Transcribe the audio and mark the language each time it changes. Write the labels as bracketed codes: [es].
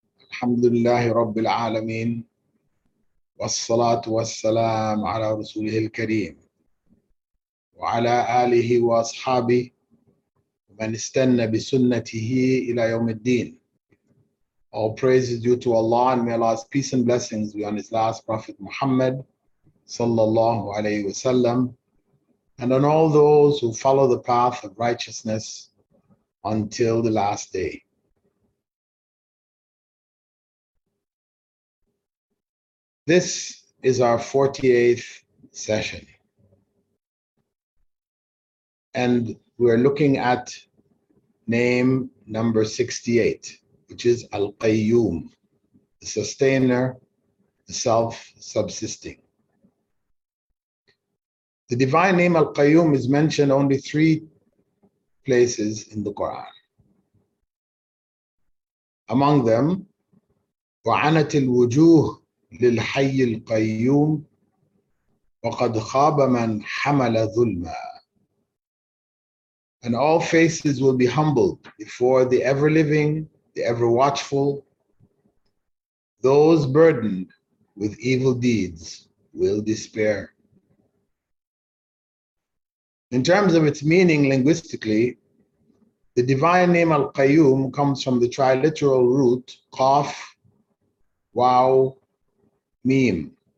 [ar] الحمد لله رب العالمين والصلاة والسلام على رسوله الكريم وعلى آله وأصحابه ومن استنى بسنته إلى يوم الدين. [en] All praise is due to Allah and may Allah's peace and blessings be on His last Prophet Muhammad [ar] صلى الله عليه وسلم [en] and on all those who follow the path of righteousness until the last day. This is our 48th session, and we're looking at name number 68, which is Al-Qayyum, the sustainer, the self-subsisting. The divine name Al-Qayyum is mentioned only three places in the Quran. among them, [ar] وعنت الوجوه للحي القيوم وقد خاب من حمل ظلما. [en] And all faces will be humbled before the ever living, the ever watchful. Those burdened with evil deeds will despair. In terms of its meaning linguistically, the divine name Al-Qayyum comes from the triliteral root Qaf, Waw, Mim.